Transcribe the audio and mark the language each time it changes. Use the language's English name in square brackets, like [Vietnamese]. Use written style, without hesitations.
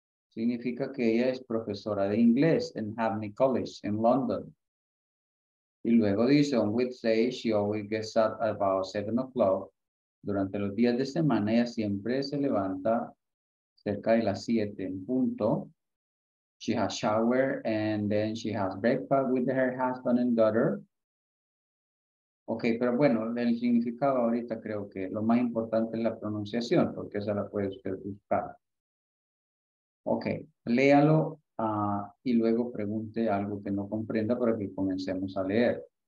[Spanish] Significa que ella es profesora de inglés en Hackney College en London. Y luego dice, [English] on Wednesday, she always gets up at about 7 o'clock. [Spanish] Durante los días de semana, ella siempre se levanta cerca de las 7 en punto. [English] She has shower and then she has breakfast with her husband and daughter. [Spanish] Okay, pero bueno, el significado ahorita creo que lo más importante es la pronunciación, porque esa la puede usted buscar. Okay, léalo y luego pregunte algo que no comprenda para que comencemos a leer.